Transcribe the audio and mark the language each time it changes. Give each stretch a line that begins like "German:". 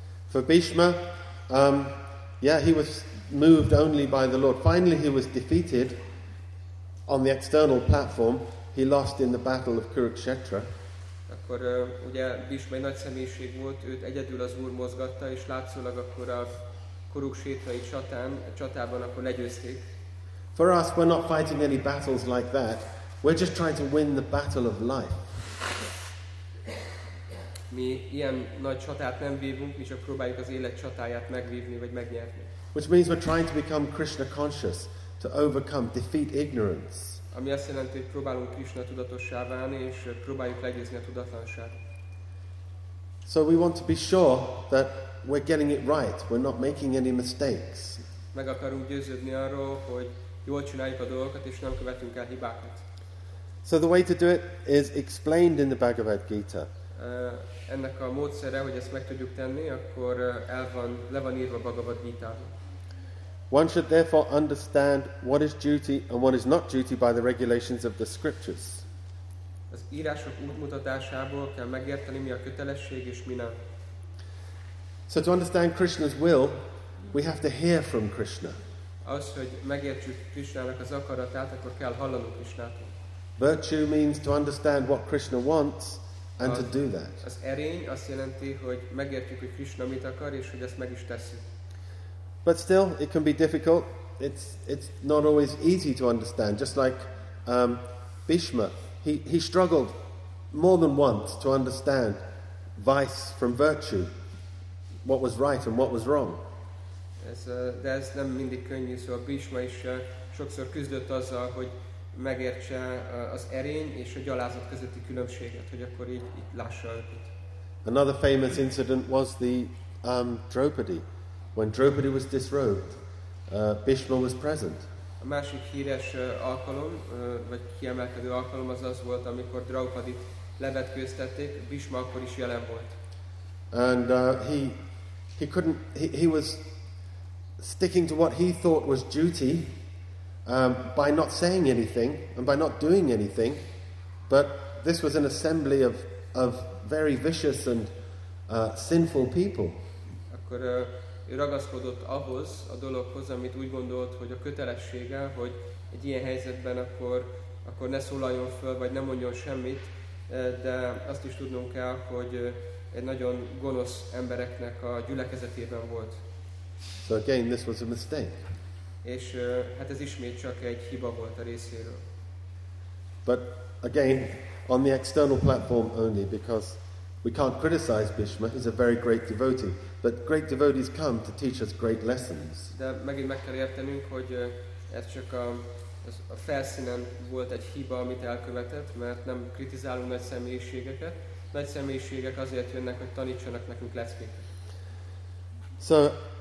English: For Bhishma, he was moved only by the Lord. Finally he was defeated on the external platform. He lost in the battle of Kurukshetra.
Hungarian: Akkor ugye Bhishma egy nagy személyiség volt, őt egyedül az Úr mozgatta, és látszólag akkor a Kurukshetrai csatában akkor legyőzték.
English: For us, we're not fighting any battles like that. We're just trying to win the battle of life.
Hungarian: Mi ilyen nagy csatát nem vívunk, mi csak próbáljuk az élet csatáját megvívni, vagy megnyerni.
English: Which means we're trying to become Krishna conscious, to overcome, defeat ignorance.
Hungarian: Ami azt jelenti, hogy próbálunk Krishna tudatossá válni, és próbáljuk legyőzni a tudatlanságot.
English: So we want to be sure that we're getting it right, we're not making any mistakes.
Hungarian: Meg akarunk győződni arról, hogy jól csináljuk a dolgokat, és nem követünk el hibákat.
English: So the way to do it is explained in the Bhagavad Gita.
Hungarian: Ennek a módszere, hogy ezt meg tudjuk tenni, akkor le van írva a Bhagavad Gita-ban.
English: One should therefore understand what is duty and what is not duty by the regulations of the scriptures.
Hungarian: Az írások útmutatásából kell megérteni, mi a kötelesség és mi nem.
English: So to understand Krishna's will, we have to hear from Krishna.
Hungarian: Az, hogy megértsük Krishnának az akaratát, akkor kell hallanunk Krishnától.
English: Virtue means to understand what Krishna wants and to do that.
Hungarian: Az erény azt jelenti, hogy megértjük, hogy Krishna mit akar, és hogy ezt meg is tesszük.
English: But still, it can be difficult. It's not always easy to understand. Just like Bhishma, he struggled more than once to understand vice from virtue, what was right and what was wrong.
Hungarian: De ez nem mindig könnyű, szóval Bhishma is sokszor küzdött azzal, hogy megértse az erény és a gyalázat közötti különbséget, hogy akkor így lássa őket.
English: Another famous incident was the Draupadi. When Draupadi was disrobed, Bhishma was present.
Hungarian: A másik híres alkalom, vagy kiemelkedő alkalom az volt, amikor Draupadit levetkőztették, Bhishma akkor is jelen volt.
English: And he was sticking to what he thought was duty by not saying anything and by not doing anything, but this was an assembly of very vicious and sinful people.
Hungarian: Akkor ő ragaszkodott ahhoz a dologhoz, amit úgy gondolt, hogy a kötelessége, hogy egy ilyen helyzetben akkor ne szólaljon föl, vagy ne mondjon semmit, de azt is tudnunk kell, hogy egy nagyon gonosz embereknek a gyülekezetében volt.
English: So again, this was a mistake.
Hungarian: És hát ez ismét csak egy hiba volt a részéről.
English: But again, on the external platform only, because we can't criticize Bhishma, he's a very great devotee. But great devotees come to teach us great lessons.
Hungarian: De megint meg kell értenünk, hogy ez csak a felszínen volt egy hiba, amit elkövetett, mert nem kritizálunk nagy személyiségeket. Nagy személyiségek azért jönnek, hogy tanítsanak nekünk leckéket.